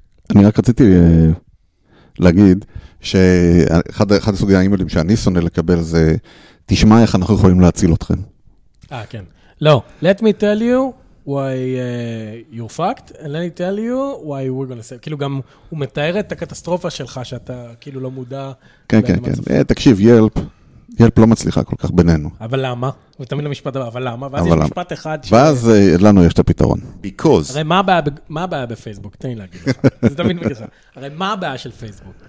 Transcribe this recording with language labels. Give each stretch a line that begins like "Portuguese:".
Hebrew: אני רק רציתי להגיד שאחד הסוגי האימיילים שאני שונא לקבל זה, תשמע איך אנחנו יכולים להציל אתכם. כן.
English: לא, let me tell you why you're fucked, and let me tell you why we're gonna save.
Hebrew: כאילו גם הוא מתאר את הקטסטרופה שלך, שאתה כאילו לא מודע. כן, כן, כן. תקשיב, ילפ, ילפ לא מצליחה כל כך בינינו. אבל למה? הוא תמיד למשפט הבא, אבל למה? ואז יש משפט אחד ש... ואז לנו יש את הפתרון.
English: Because.
Hebrew: הרי מה הבעיה, מה הבעיה בפייסבוק? תן לי להגיד לך. זה תמיד בגלל. הרי מה הבעיה של פייסבוק?